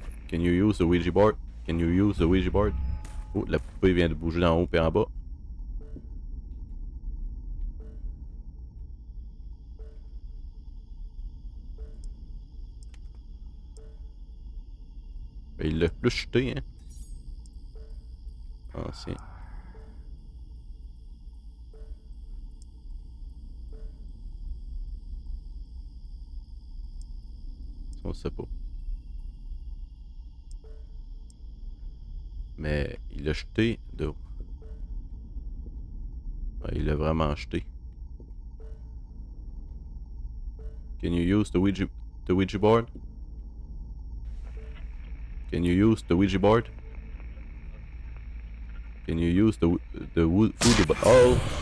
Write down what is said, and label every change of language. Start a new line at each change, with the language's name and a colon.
English: Can you use the Ouija board? Can you use the Ouija board?
French: Oh, la poupée vient de bouger d'en haut et en bas. Ben, il l'a plus chuté, hein? Ancien. On sait pas. Mais il l'a jeté de haut. Ouais, il l'a vraiment jeté.
English: Can you use the Ouija board? Can you use the Ouija board? Can you use the wood board? Oh!